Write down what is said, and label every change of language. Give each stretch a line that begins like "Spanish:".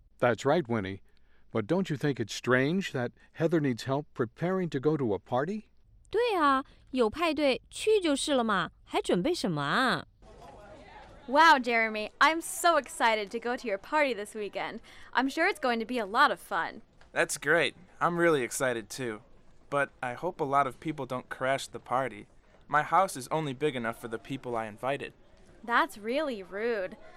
English: That's right, Winnie But don't you think it's strange that Heather needs help preparing to go to a party?
Chinese: 对啊有派对去就是了嘛还准备什么啊
English: Wow, Jeremy, I'm so excited to go to your party this weekend. I'm sure it's going to be a lot of fun. That's great. I'm really excited, too. But I hope a lot of people don't crash the party. My house is only big enough for the people I invited. That's really rude.